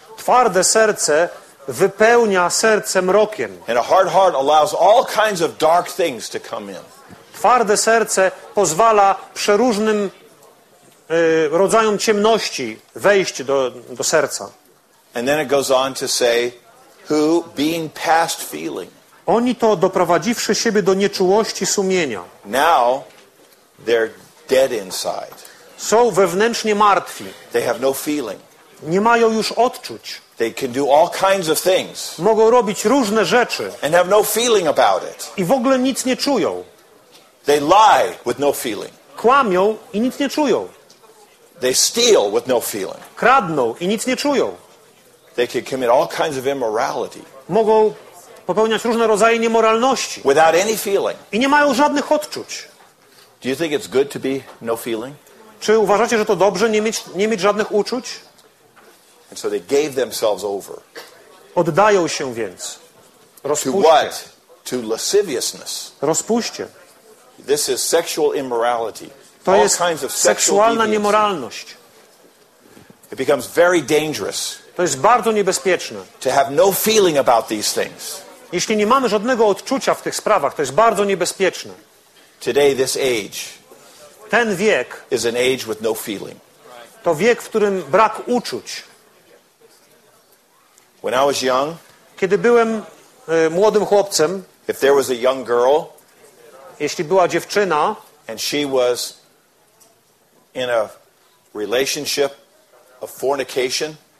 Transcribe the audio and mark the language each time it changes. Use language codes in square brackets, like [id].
[pl] Twarde serce wypełnia serce mrokiem. [en] And a hard heart allows all kinds of dark things to come in. [pl] Twarde serce pozwala przeróżnym rodzajom ciemności wejść do serca. [en] And then it goes on to say, who, being past feeling, [pl] oni to doprowadziwszy siebie do nieczułości sumienia, [en] now they're dead inside. [pl] Są wewnętrznie martwi. [en] They have no feeling. [pl] Nie mają już odczuć. [en] They can do all kinds of things. [pl] Mogą robić różne rzeczy. [en] And have no feeling about it. [pl] I w ogóle nic nie czują. [en] They lie with no feeling. [pl] Kłamią i nic nie czują. [en] They steal with no feeling. [pl] Kradną i nic nie czują. [en] They can commit all kinds of immorality. [pl] Mogą popełniać różne rodzaje niemoralności. [en] Without any feeling. [pl] I nie mają żadnych odczuć. [en] Do you think it's good to be no feeling? [pl] Czy uważacie, że to dobrze nie mieć żadnych uczuć? [en] And so they gave themselves over. [pl] Oddają się więc. Rozpuście. [en] To what? To lasciviousness. [pl] Rozpuście. [en] This is sexual immorality. [pl] To jest seksualna niemoralność. [en] It becomes very dangerous. [pl] To jest bardzo niebezpieczne. [en] To have no feeling about these things. [pl] Jeśli nie mamy żadnego odczucia w tych sprawach, to jest bardzo niebezpieczne. [en] Today this age. [pl] Ten wiek. [en] Is an age with no feeling. [pl] To wiek, w którym brak uczuć. [en] When I was young, [pl] kiedy byłem młodym chłopcem, [en] if there was a young girl, [pl] jeśli była dziewczyna, [en] And she was in a relationship of fornication.